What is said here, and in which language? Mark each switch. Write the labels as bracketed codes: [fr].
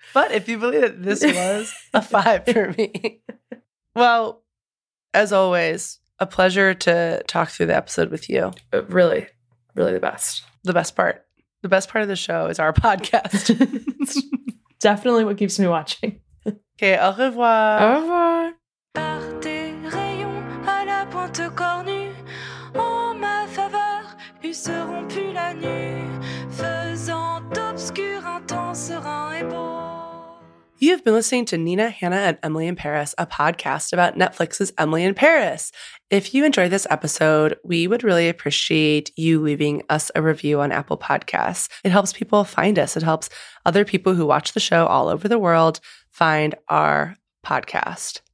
[en] But if you believe that this was a 5 for me. Well, as always, a pleasure to talk through the episode with you. Really, really the best. The best part. The best part of the show is our podcast. Definitely what keeps me watching. [fr] Okay, au revoir. Au revoir. Par tes rayons à la pointe cornue, en ma faveur, eussent rompu la nuit, faisant obscur un temps serein et beau. [en] You've been listening to Nina, Hannah, and Emily in Paris, a podcast about Netflix's Emily in Paris. If you enjoyed this episode, we would really appreciate you leaving us a review on Apple Podcasts. It helps people find us. It helps other people who watch the show all over the world find our podcast.